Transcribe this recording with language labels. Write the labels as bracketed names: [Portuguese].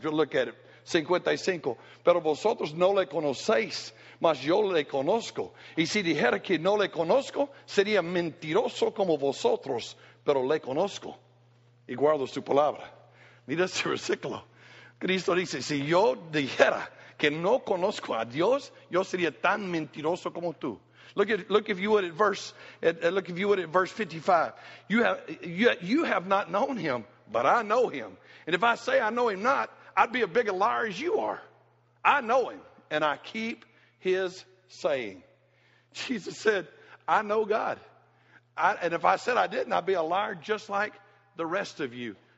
[English] We'll look at it. [Spanish] 55, pero vosotros no le conocéis, mas yo le conozco. Y si dijera que no le conozco, sería mentiroso como vosotros, pero le conozco. Y guardo su palabra. Mira ese versículo. Cristo dice, si yo dijera que no conozco a Dios, yo sería tan mentiroso como tú. [English] Look if you would at verse 55. You have not known him, but I know him. And if I say I know him not, I'd be a bigger liar as you are. I know him, and I keep his saying. Jesus said, I know God. And if I said I didn't, I'd be a liar just like the rest of you.